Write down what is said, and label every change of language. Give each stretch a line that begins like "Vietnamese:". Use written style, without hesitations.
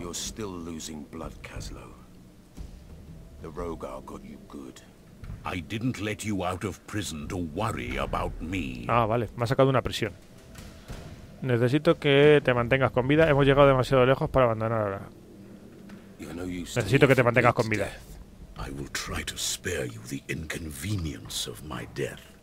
English: You're still losing blood, Caslo. The Rogar got you good. I didn't let you out of prison to worry about me.
Spanish: Ah, vale. Me ha sacado una prisión. Necesito que te mantengas con vida. Hemos llegado demasiado lejos para abandonar ahora. Necesito que te mantengas con vida.
English: I will try to spare you the inconvenience of my death.